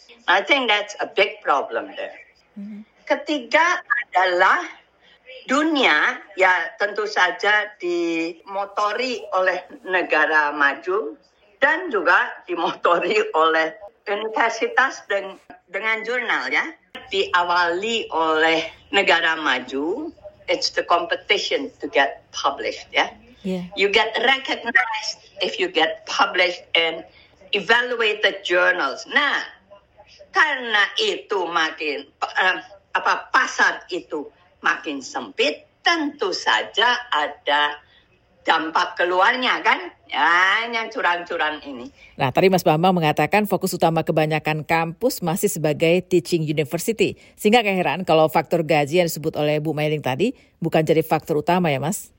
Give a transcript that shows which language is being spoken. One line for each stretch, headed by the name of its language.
English: I think that's a big problem there.
Indonesian: Ketiga adalah dunia, ya tentu saja dimotori oleh negara maju dan juga dimotori oleh universitas dengan jurnal, ya. Diawali oleh negara maju,
English: it's the competition to get published, ya. Yeah. You get recognized if you get published in evaluated journals.
Indonesian: Nah, karena itu makin pasar itu makin sempit, tentu saja ada dampak keluarnya kan, ya, yang curang-curang ini. Nah, tadi Mas Bambang mengatakan fokus utama kebanyakan kampus masih sebagai teaching university, sehingga gak heran kalau faktor gaji yang disebut oleh Bu Mailing tadi bukan jadi faktor utama ya, Mas?